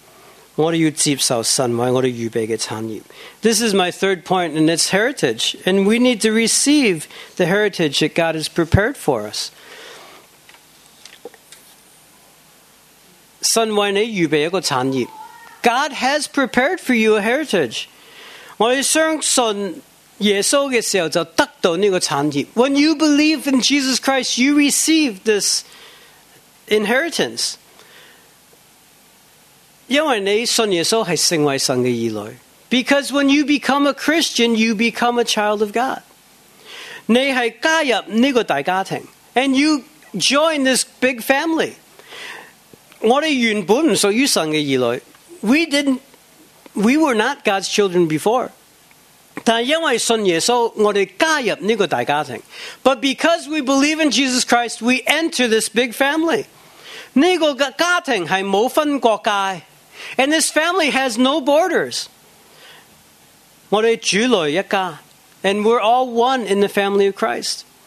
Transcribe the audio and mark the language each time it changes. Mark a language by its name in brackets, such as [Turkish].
[Chinese] 这个第三点，产业，我们要接受神为我们预备的产业。 [English] This is my third point, and it's heritage. And we need to receive the heritage that God has prepared for us. [Chinese] 神为你预备一个产业。 [English] God has prepared for you a heritage. [Chinese] 我们相信耶稣的时候就得到这个产业。 [English] When you believe in Jesus Christ, you receive this inheritance. [Chinese] 因为你信耶稣是成为神的儿女。 [English] Because when you become a Christian, you become a child of God. [Chinese] 你是加入这个大家庭, [English] and you join this big family. [Chinese] 我们原本不属于神的儿女, [English] we were not God's children before. [Chinese] 但因为信耶稣，我们加入这个大家庭. [English] But because we believe in Jesus Christ, we enter this big family. [Chinese] 这个家庭是没分国界, [English] and this family has no borders. [Chinese] 我们主来一家, [English] and we're all one in the family of Christ.